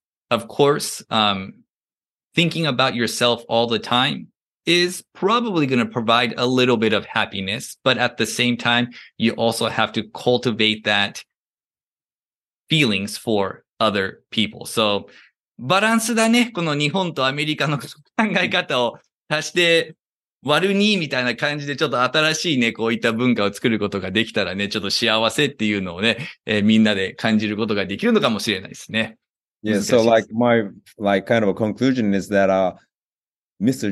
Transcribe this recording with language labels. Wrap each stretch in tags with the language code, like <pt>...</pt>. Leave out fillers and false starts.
<en>Of course, thinking about yourself all the time is probably going to provide a little bit of happiness. But at the same time, you also have to cultivate that feelings for other people.</en> <ja>So, バランスだね。この日本とアメリカの考え方を足して割る2みたいな感じでちょっと新しいね、こういった文化を作ることができたらね、ちょっと幸せっていうのをね、みんなで感じることができるのかもしれないですね。</ja> <en>Yeah, so like my like kind of a conclusion is that Mr.</en>